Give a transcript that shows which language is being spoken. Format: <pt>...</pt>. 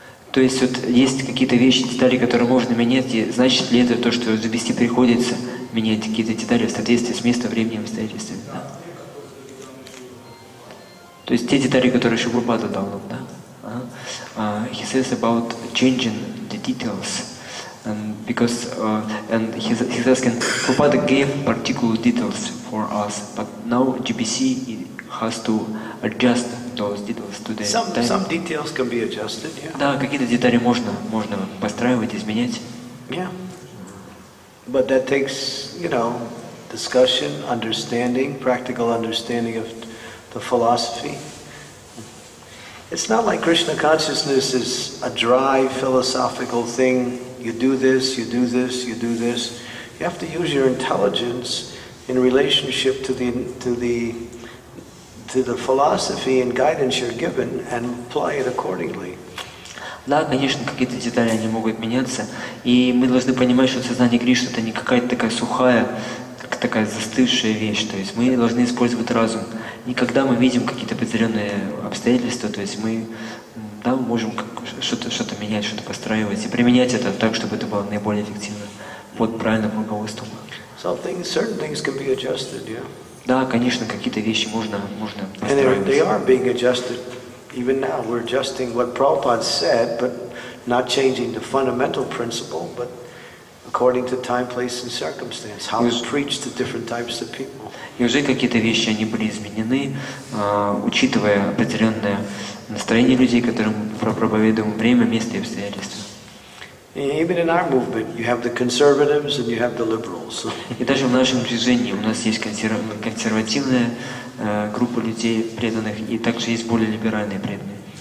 <ru>То есть вот есть какие-то вещи, детали, которые можно менять, и значит ли это то, что завести приходится менять какие-то детали в соответствии с местом, временем, обстоятельствами? Да. То есть те детали, которые Шри Прабхупада дал нам, да?</ru> <en>He says about changing the details. And because and he's asking, Prabhupada gave particular details for us, but now GBC has to adjust those details to the time. Some details can be adjusted, yeah.</en> <ru>Да, какие-то детали можно постраивать, изменять.</ru> <en>Yeah. But that takes, you know, discussion, understanding, practical understanding of the philosophy. It's not like Krishna consciousness is a dry philosophical thing. You do this, you do this, you do this. You have to use your intelligence in relationship to the philosophy and guidance you're given and apply it accordingly.</en> <ru>Да, конечно, какие-то детали они могут меняться, и мы должны понимать, что сознание Кришны это не какая-то такая сухая, такая застывшая вещь. То есть мы должны использовать разум. И когда мы видим какие-то определенные обстоятельства, то есть мы там можем что-то менять, что-то постраивать и применять это так, чтобы это было наиболее эффективно под правильным руководством.</ru> <en>So certain things can be adjusted, yeah.</en> <ru>Да, конечно, какие-то вещи можно постраивать.</ru> <en>And they are being adjusted even now. We're adjusting what Prabhupada said, but not changing the fundamental principle, but according to time, place, and circumstance, how to preach to different types of people.</en> <ru>И уже какие-то вещи они были изменены, учитывая определенное настроение людей, которым проповедуем время, место и обстоятельства.</ru> <en>Even in our movement, you have the conservatives and you have the liberals.</en> <ru>И даже в нашем движении у нас есть консервативная группа людей преданных, и также есть более либеральные преданные.</ru>